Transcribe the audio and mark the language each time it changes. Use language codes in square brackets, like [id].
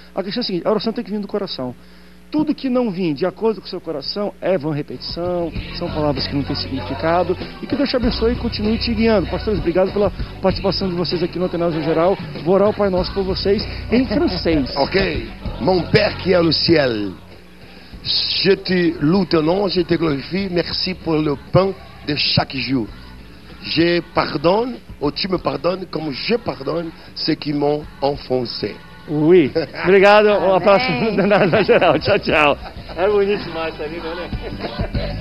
[pt] A questão é a seguinte, a oração tem que vir do coração. Tudo que não vir de acordo com o seu coração é vã repetição, são palavras que não têm significado, e que Deus te abençoe e continue te guiando. Pastores, obrigado pela participação de vocês aqui no Atenasio Geral. Vou orar o Pai Nosso por vocês em francês. [fr] Ok. Mon Père qui est le ciel. Je te loue ton nom, je te glorifie, merci pour le pain de chaque jour. Je pardonne, ou tu me pardonnes, comme je pardonne ceux qui m'ont enfoncé. Oui, [pt] obrigado, [fr] à la prochaine, [pt] na geral, tchau, tchau. É bonito demais, tá lindo, né?